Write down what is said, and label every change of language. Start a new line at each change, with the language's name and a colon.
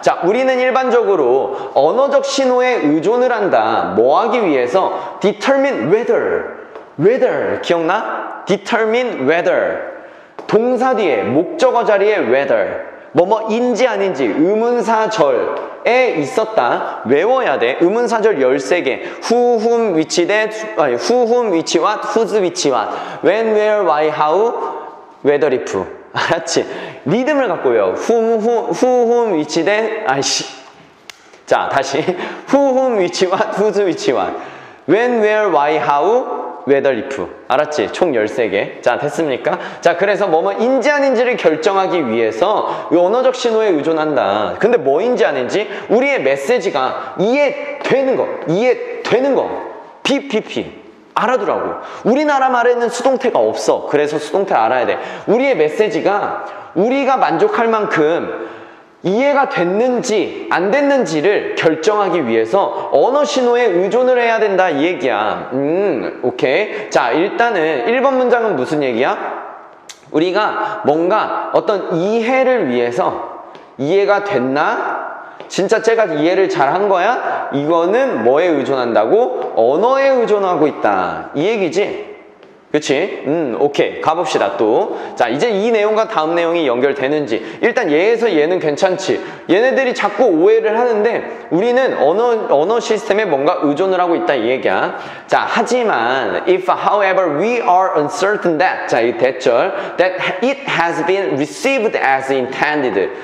Korean: 자, 우리는 일반적으로 언어적 신호에 의존을 한다. 뭐 하기 위해서?
English: determine whether.
Korean: whether 기억나?
English: determine whether.
Korean: 동사 뒤에 목적어 자리에 whether. 뭐뭐 인지 아닌지 의문사절에 있었다. 외워야 돼. 의문사절 13개.
English: who, whom, which, that, who, whom, which, what, whose, which, what, when, where, why, how, whether, if.
Korean: 알았지? 리듬을 갖고 외워.
English: whom, who, who, whom, which, that,
Korean: 아이씨. 자, 다시.
English: who, whom, which, what, whose, which, what, when, where, why, how, whether, if.
Korean: 알았지? 총 13개. 자, 됐습니까? 자, 그래서 뭐뭐 인지 아닌지를 결정하기 위해서 언어적 신호에 의존한다. 근데 뭐인지 아닌지 우리의 메시지가 이해되는 거, 이해되는 거. PPP 알아두라고. 우리나라 말에는 수동태가 없어. 그래서 수동태 알아야 돼. 우리의 메시지가 우리가 만족할 만큼 이해가 됐는지 안 됐는지를 결정하기 위해서 언어 신호에 의존을 해야 된다 이 얘기야. 오케이. 자, 일단은 1번 문장은 무슨 얘기야? 우리가 뭔가 어떤 이해를 위해서 이해가 됐나? 진짜 제가 이해를 잘한 거야? 이거는 뭐에 의존한다고? 언어에 의존하고 있다. 이 얘기지? 그치? 오케이. 가봅시다, 또. 자, 이제 이 내용과 다음 내용이 연결되는지. 일단 얘에서 얘는 괜찮지. 얘네들이 자꾸 오해를 하는데, 우리는 언어 시스템에 뭔가 의존을 하고 있다, 이 얘기야.
English: 자,
Korean: 하지만,
English: if, however, we are uncertain that, 자,
Korean: 이 대절,
English: that it has been received as intended.